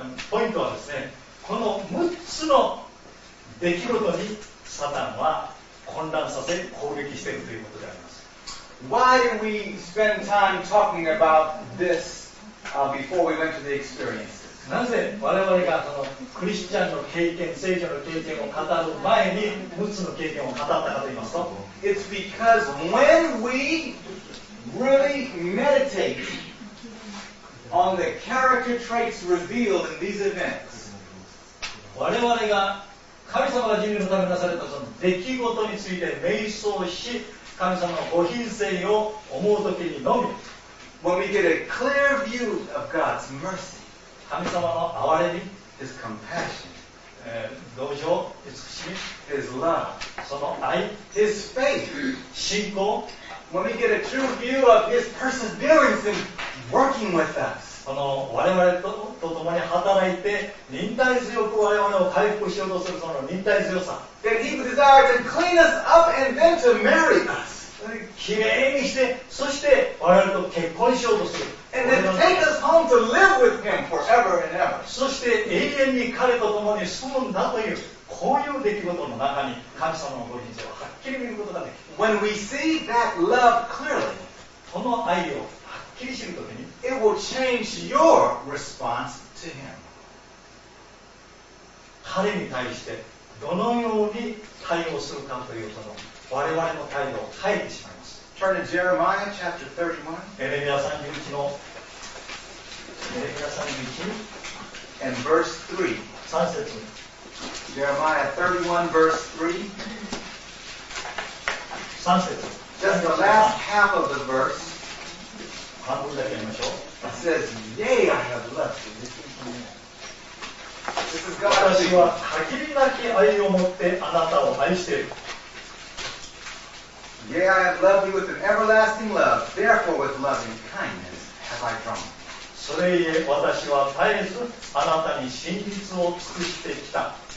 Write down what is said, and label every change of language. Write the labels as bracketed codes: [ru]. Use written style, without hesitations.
[ja] ポイントはですね、この6つの出来事にサタンは混乱させ攻撃しているということであります。 [en] Why did we spend time talking about this before we went to the experiences? [ja] なぜ我々がそのクリスチャンの経験、聖書の経験を語る前に6つの経験を語ったかと言いますと、 [en] It's because when we Really meditate on the character traits revealed in these events. [ja] 我々が神様が人類のためになされたその出来事について瞑想し、神様のご品性を思うときにのみ、 [en] When we get a clear view of God's mercy, [ja] 神様の憐れみ、 [en] His compassion, [ja] 同情、慈しみ、 [en] His love, [ja] その愛、 [en] His faith, [ja] 信仰、 [en] When we get a true view of His perseverance in working with us, [ja] この我々と共に働いて忍耐強く我々を回復しようとするその忍耐強さ、 [en] that He desired to clean us up and then to marry us, [ja] きれいにしてそして我々と結婚しようとする、 [en] and then take us home to live with Him forever and ever, [ja] そして永遠に彼と共に住むんだという。こういう出来事の中に神様のご臨在をはっきり見ることができる。 [en] When we see that love clearly, [ja] この愛をはっきり知るときに、 [en] it will change your response to him. [ja] 彼に対してどのように対応するかというその我々の態度を変えてしまいます。 [en] Turn to Jeremiah chapter 31. [ja] エレミア31の、エレミア31 [en] and verse 3. [ja] 3節に。 [en] Jeremiah 31 verse 3. [ja] 3 節。 [en] Just the last half of the verse. It says, Yea, I have left you. This is God speaking. [ja] 私は限りなき愛を持ってあなたを愛している。 [en] Yea, I have loved you with an everlasting love. Therefore, with loving kindness have I drawn. [ja] それゆえ私は絶えずあなたに真実を尽くしてきた。